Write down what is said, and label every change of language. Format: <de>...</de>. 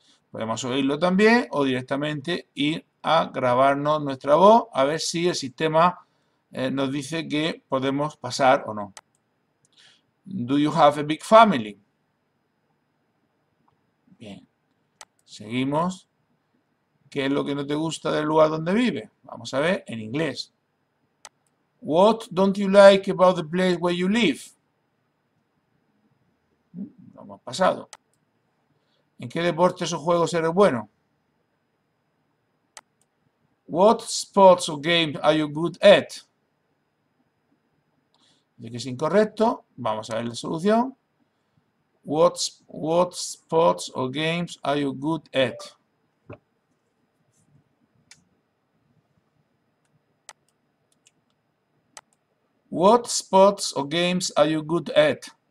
<es>Podemos oírlo también o directamente ir a grabarnos nuestra voz a ver si el sistema nos dice que podemos pasar o no.</es> <en>Do you have a big family?</en> <es>Seguimos. ¿Qué es lo que no te gusta del lugar donde vive? Vamos a ver en inglés.</es> <en>What don't you like about the place where you live?</en> <es>hemos pasado. ¿En qué deportes o juegos eres bueno?</es> <en>What sports or games are you good at?</en> <es>Ya que es incorrecto, vamos a ver la solución.</es> <en>What sports or games are you good at? What sports or games are you good at?</en>